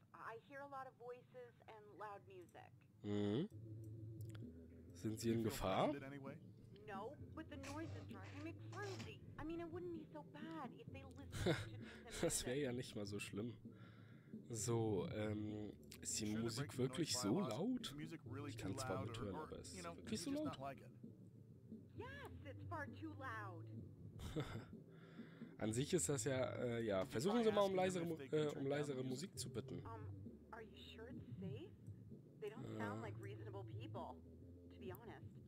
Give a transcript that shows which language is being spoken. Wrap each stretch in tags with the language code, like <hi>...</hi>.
<en>I hear a lot of voices and loud music.</en> <de>Sind sie in Gefahr?</de> <en>No, but the noise is driving me crazy. I mean, it wouldn't be so bad if they listened to me.</en> <de>Das wäre ja nicht mal so schlimm. So, ist die Musik wirklich so laut? Ich kann es zwar mithören, aber es ist so laut.</de> <en>Yes, it's far too loud.</en> <de>An sich ist das ja, ja, versuchen Sie mal um leisere Musik zu bitten.</de> <en>Are you sure it's safe? They don't sound like reasonable people, to be honest.</en>